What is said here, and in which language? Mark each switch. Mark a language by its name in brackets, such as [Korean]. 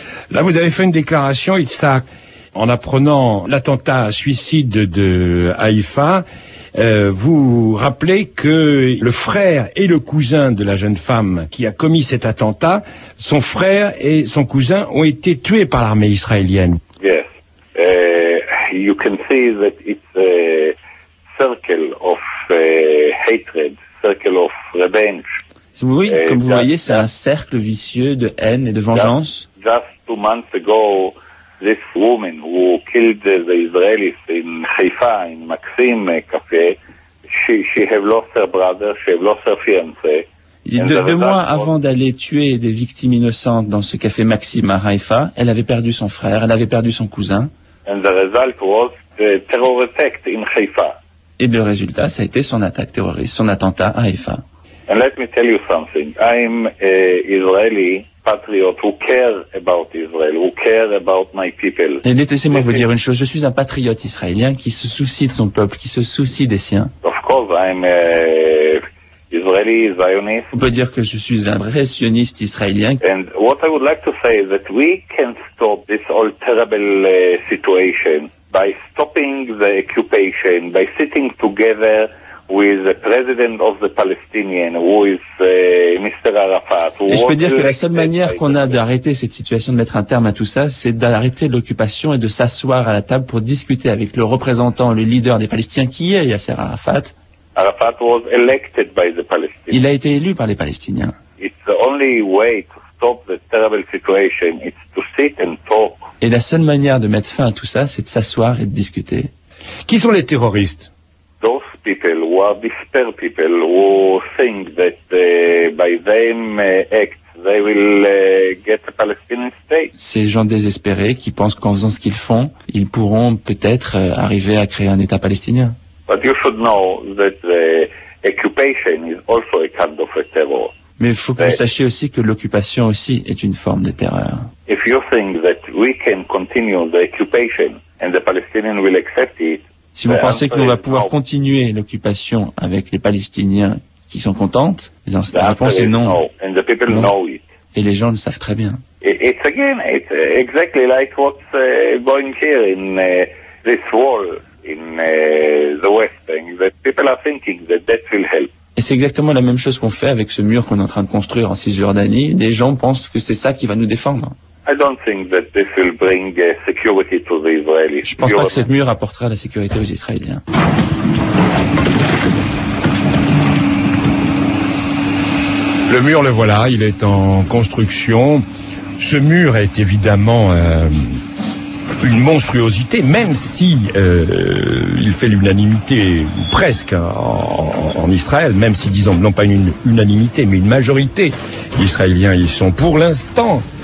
[French] Là, vous avez fait une déclaration, Isaac, en apprenant l'attentat suicide de Haïfa. Vous rappelez que le frère et le cousin de la jeune femme qui a commis cet attentat, son frère et son cousin ont été tués par l'armée israélienne. [English] Yes. You can see that it's a circle of hatred, circle of revenge. [French] Si vous voyez, comme vous voyez, c'est un cercle vicieux de haine et de vengeance. [English] Just 2 months ago, this woman who killed the Israelis in Haifa, in Maxim Cafe, she have lost her brother, she have lost her fiancé. [French] Deux mois avant d'aller tuer des victimes innocentes dans ce café Maxim à Haifa, elle avait perdu son frère, elle avait perdu son cousin. [English] And the result was the terror attack in Haifa. [French] Et le résultat, ça a été son attaque terroriste, son attentat à Haifa. [English] And let me tell you something. I'm a Israeli patriot who cares about Israel, who cares about my people. [French] Et laissez-moi vous dire une chose. Je suis un patriote israélien qui se soucie de son peuple, qui se soucie des siens. [English] Of course, I'm a Israeli Zionist. [French] On peut dire que je suis un vrai sioniste israélien. [English] And what I would like to say is that we can stop this all terrible situation by stopping the occupation, by sitting together with the president of the Palestinian, who is Mr. Arafat. [French] Et je peux dire que la seule manière qu'on a d'arrêter cette situation, de mettre un terme à tout ça, c'est d'arrêter l'occupation et de s'asseoir à la table pour discuter avec le représentant, le leader des Palestiniens, qui est Yasser Arafat. [English] Arafat was elected by the Palestinians. [French] Il a été élu par les Palestiniens. [English] It's the only way to stop the terrible situation. It's to sit and talk. [French] Et la seule manière de mettre fin à tout ça, c'est de s'asseoir et de discuter. Qui sont les terroristes? [English] Those people who are dispersed people who think that by them act they will get a Palestinian state. [French] Ces gens désespérés qui pensent qu'en faisant ce qu'ils font, ils pourront peut-être arriver à créer un État palestinien. [English] But you should know that the occupation is also a kind of a terror. [French] Mais il faut que vous sachiez aussi que l'occupation aussi est une forme de terreur. [English] If you think that we can continue the occupation and the Palestinians will accept it. [French] Si vous pensez que l'on va pouvoir continuer l'occupation avec les Palestiniens qui sont contents, la réponse est non. [English] And the people know it. [French] Et les gens le savent très bien. [English] It's again, it's exactly like what's going here in this wall. In the West Bank, that people are thinking that that will help. [French] Et c'est exactement la même chose qu'on fait avec ce mur qu'on est en train de construire en Cisjordanie. Les gens pensent que c'est ça qui va nous défendre. [English] I don't think that this will bring security to the Israelis. [French] Je pense pas que ce mur apportera la sécurité aux Israéliens. Le mur, le voilà, il est en construction. Ce mur est évidemment une monstruosité, même si il fait l'unanimité, ou presque, en Israël, même si, disons, non pas une unanimité, mais une majorité d'Israéliens, ils sont pour l'instant